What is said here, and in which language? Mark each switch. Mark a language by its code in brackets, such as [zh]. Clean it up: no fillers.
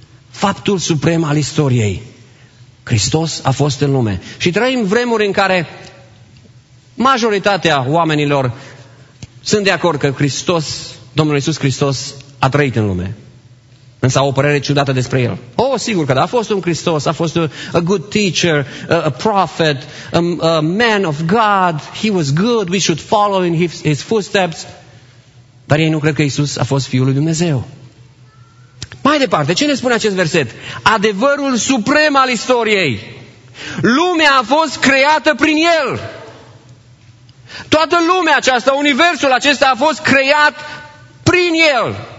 [ro] Faptul suprem al istoriei. Hristos a fost în lume. Și trăim vremuri în care majoritatea oamenilor sunt de acord că Hristos, Domnul Iisus Hristos, a trăit în lume. Însă au o părere ciudată despre El. Oh, sigur că da, a fost [en] un Hristos, a fost a good teacher, a prophet, a man of God, he was good, we should follow in his footsteps. [ro] Dar ei nu cred că Iisus a fost Fiul lui Dumnezeu. Mai departe, ce ne spune acest verset? Adevărul suprem al istoriei. Lumea a fost creată prin El. Toată lumea aceasta, universul acesta a fost creat prin El.